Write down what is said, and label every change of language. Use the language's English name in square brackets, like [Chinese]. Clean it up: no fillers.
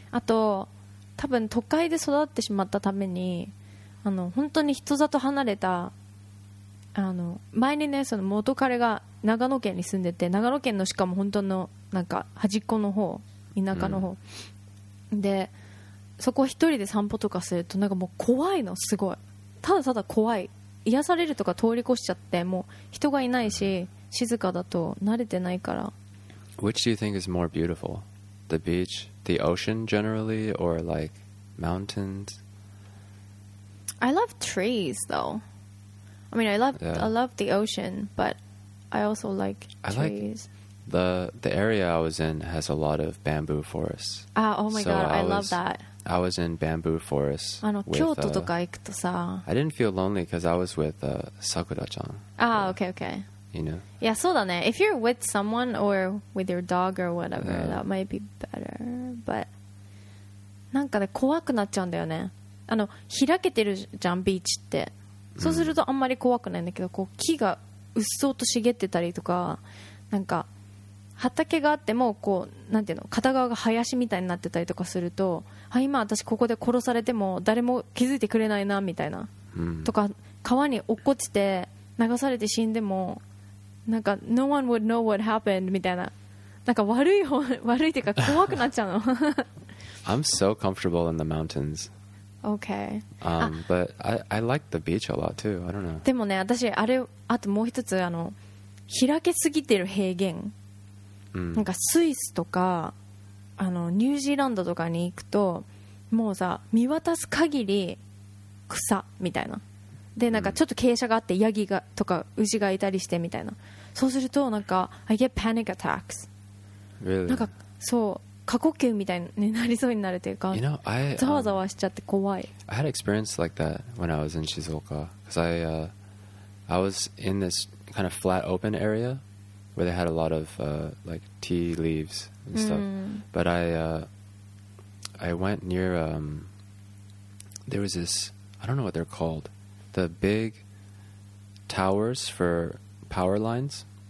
[Japanese] あと多分都会で育ってしまったために、あの本当に人里離れた、あの前にね、その元彼が長野県に住んでて、長野県のしかも本当のなんか端っこの方、田舎の方、hmm. でそこ一人で散歩とかするとなんかもう怖いの、すごい、ただただ怖い。癒されるとか通り越しちゃって、もう人がいないし静かだと慣れてないから。 [English] Which do you think is more beautiful? The beach, the ocean generally, or like mountains? I love trees though. I mean, I love the ocean, but I also like trees. The area I was in has a lot of bamboo forests. Oh my god, I love that. I was in bamboo forests. [Japanese] あの、京都とか行くとさ、 [English] I didn't feel lonely because I was with Sakura-chan. Okay. You know? Yeah, [Japanese] そうだね。 [English] If you're with someone or with your dog or whatever, that might be better. But, [Japanese] なんかね、怖くなっちゃうんだよね。あの、開けてるじゃん、ビーチって。そうするとあんまり怖くないんだけど、こう、木がうっそうと茂ってたりとか、なんか、畑があってもこうなんていうの、片側が林みたいになってたりとかすると、あ、今私ここで殺されても誰も気づいてくれないなみたいな、うん、とか川に落っこちて流されて死んでもなんか [English] No one would know what happened [Japanese] みたいな、なんか悪い方、悪いっていうか怖くなっちゃうの。 [English] I'm so comfortable in the mountains. Okay. But I like the beach a lot too. I don't know. [Japanese] でもね、私あれ、あともう一つ、あの開けすぎてる平原、なんかスイスとか、あのニュージーランドとかに行くと、もうさ見渡す限り草みたいな、でなんかちょっと傾斜があってヤギがとか牛がいたりしてみたいな、そうするとなんか [English] I get panic attacks、 really? [Japanese] なんかそう過呼吸みたいになりそうになるというか、 [English] you know, I, [Japanese] ざわざわしちゃって怖い。 [English] I had experience like that when I was in Shizuoka, cause I was in this kind of flat open areaWhere they had a lot of like tea leaves and stuff, but I went near there was this, I don't know what they're called, the big towers for power lines.